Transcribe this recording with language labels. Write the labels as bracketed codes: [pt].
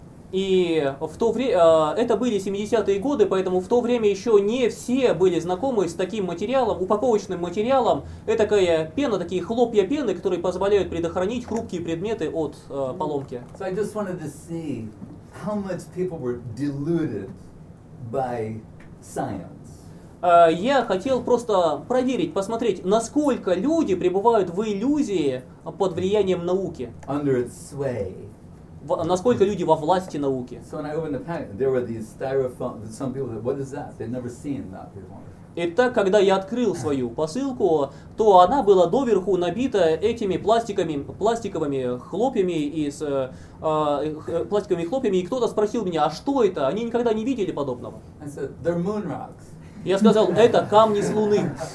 [ru] И в то время это были 70-е годы, поэтому в то время еще не все были знакомы с таким материалом, упаковочным материалом. Это такая пена, такие хлопья пены, которые позволяют предохранить хрупкие предметы от поломки. [en] So I just wanted to see how much people were deluded by science. [ru] Я хотел просто проверить, посмотреть, насколько люди пребывают в иллюзии под влиянием науки. [en] Under its sway. [ru] Насколько люди во власти науки. [en] So when I opened the packet, there were these styrofoam, some people said, what is that? They'd never seen that before. [ru] Итак, когда я открыл свою посылку, то она была доверху набита этими пластиковыми хлопьями, и кто-то спросил меня, а что это? Они никогда не видели подобного. [en] I said, they're moon rocks. [ru] Я сказал, это камни с Луны.